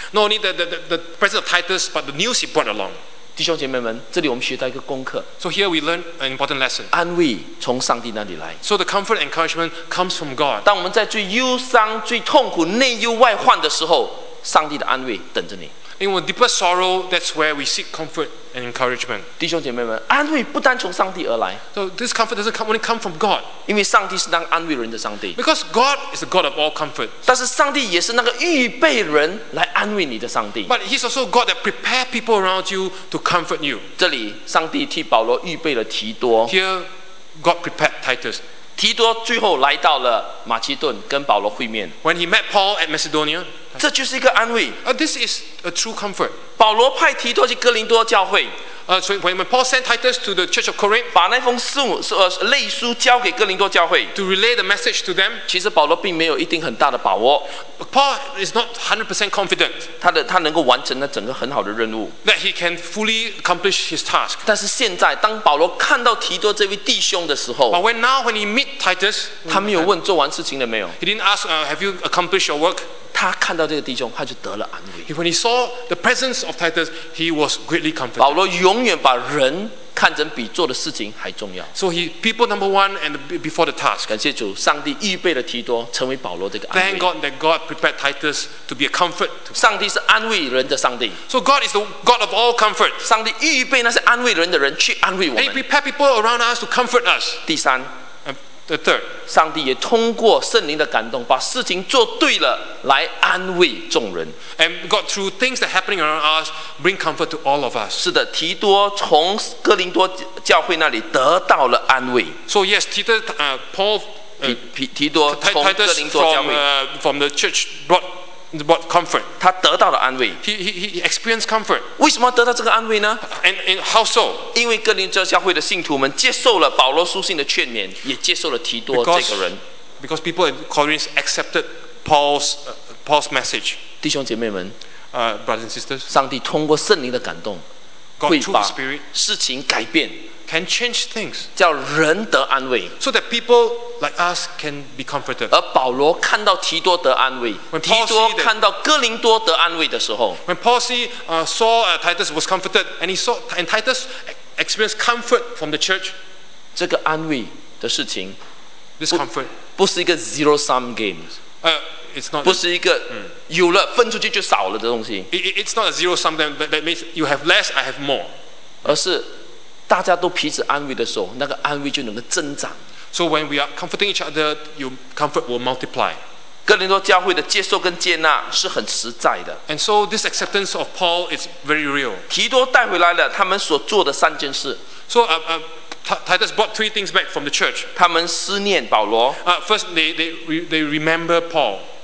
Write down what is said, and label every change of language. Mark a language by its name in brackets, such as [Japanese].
[English] Not only the presence of Titus, but the news he brought along。 [Chinese] 弟兄姐妹们，这里我们学到一个功课。 [English] So here we learn an important lesson。 [Chinese] 安慰从上帝那里来。 [English] So the comfort and encouragement comes from God。 [Chinese] 当我们在最忧伤、最痛苦、内忧外患的时候，上帝的安慰等着你。 [English] In our deepest sorrow, that's where we seek comfort and encouragement. [Chinese] 弟兄姐妹们，安慰不单从上帝而来。 [English] So this comfort doesn't come only come from God. [Chinese] 因为上帝是当安慰人的上帝。 [English] Because God is the God of all comfort. [Chinese] 但是上帝也是那个预备人来安慰你的上帝。 [English] But He's also God that prepare people around you to comfort you. [Chinese] 这里，上帝替保罗预备了提多。 [English] Here, God prepared Titus. [Chinese] 提多最后来到了马其顿，跟保罗会面。 [English] When he met Paul at Macedonia, [Chinese] 这就是一个安慰。 [English] This is a true comfort. [Chinese] 保罗派提多去哥林多教会。 [English] So when Paul sent Titus to the Church of Corinth, [Chinese] 把那封信类书交给哥林多教会 [English] ，to relay the message to them. [Chinese] 其实保罗并没有一定很大的把握。 [English] Paul is not 100% confident. [Chinese] 他能够完成那整个很好的任务。 [English] That he can fully accomplish his task. [Chinese] 但是现在，当保罗看到提多这位弟兄的时候 [English] ，But when he meet Titus, [Chinese] 他没有问做完事情了没有。 [English] He didn't ask, have you accomplished your work? [Chinese] 他看到这个弟兄，他就得了安慰。 [English] When he saw the presence of Titus, he was greatly comforted. [Chinese] 保罗永远把人看成比做的事情还重要。 [English] So people number one and before the task. [Chinese] 感谢主，上帝预备了提多成为保罗这个安慰。 [English] Thank God that God prepared Titus to be a comfort. [Chinese] 上帝是安慰人的上帝。 [English] So God is the God of all comfort. [Chinese] 上帝预备那些安慰人的人去安慰我们。 [English] He prepared people around us to comfort us. [Chinese] 第三。 [English] The third, [Chinese] 上帝也通过圣灵的感动，把事情做对了，来安慰众人。 [English] And God through things that happening around us bring comfort to all of us. [Chinese] 是的，提多从哥林多教会那里得到了安慰。 [English] So yes, Titus, Paul, [Chinese] 提多从哥林多教会 [English] from the church brought comfort. [Chinese] 他得到了安慰。 [English] He experienced comfort. [Chinese] 为什么得到这个安慰呢 [English] ？And how so? [Chinese] 因为哥林多教会的信徒们接受了保罗书信的劝勉，也接受了提多这个人。 [English] Because people in Corinth accepted Paul's message. [Chinese] 弟兄姐妹们 [English] brothers and sisters. [Chinese] 上帝通过圣灵的感动 [English] ，God through the Spirit [Chinese] 事情改变 [English] ，can change things. [Chinese] 叫人得安慰 [English] ，so that people. Like us can be comforted. [Chinese] 而保罗看到提多得安慰，提多看到哥林多得安慰的时候 [English] ，When Paul saw Titus was comforted, and he saw and Titus experienced comfort from the church, [Chinese] 这个安慰的事情 [English] ，this comfort [Chinese] 不是一个 [English] zero sum games. It's not [Chinese] 不是一个有了分出去就少了的东西。 [English] It's not a zero sum game. That means you have less, I have more. [Chinese] 而是大家都彼此安慰的时候，那个安慰就能够增长。 [English] So when we are comforting each other, your comfort will multiply. [Chinese] 哥林多教会的接受跟接纳是很实在的。 [English] And so this acceptance of Paul is very real. [Chinese] 提多带回来了他们所做的三件事。 [English] So Titus brought three things back from the church. [Chinese] 他们思念保罗。 [English] First, they remember Paul.